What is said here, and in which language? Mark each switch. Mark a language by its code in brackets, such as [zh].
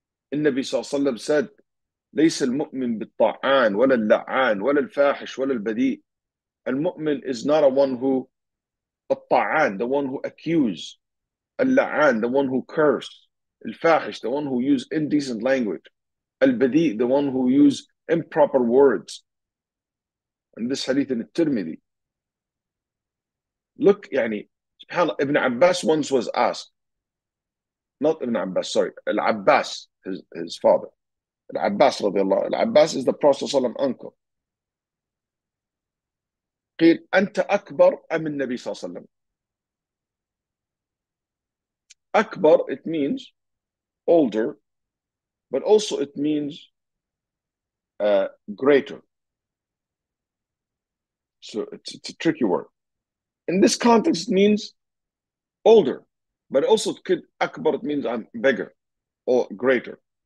[en] The Nabi sallallahu alayhi wa sallam said, [ar] ليس المؤمن بالطعان ولا اللعان ولا الفاحش ولا البذيء. [en] المؤمن is not a one who الطعان, the one who accuse. اللعان, the one who curse. الفاحش, the one who use indecent language. البذيء, the one who use improper words. And this hadith in الترمذي. Look, يعني, subhanAllah, Ibn Abbas once was asked, not Ibn Abbas, sorry, Al-Abbas, his father. Al-Abbas radiallahu anhu. Al-Abbas is the Prophet sallallahu alayhi wa sallam uncle. [ar] قيل أنت أكبر أم النبي صلى الله عليه وسلم. [en] أكبر, it means older, but also it means greater. So it's a tricky word. In this context, it means older, but also it could أكبر, it means I'm bigger or greater.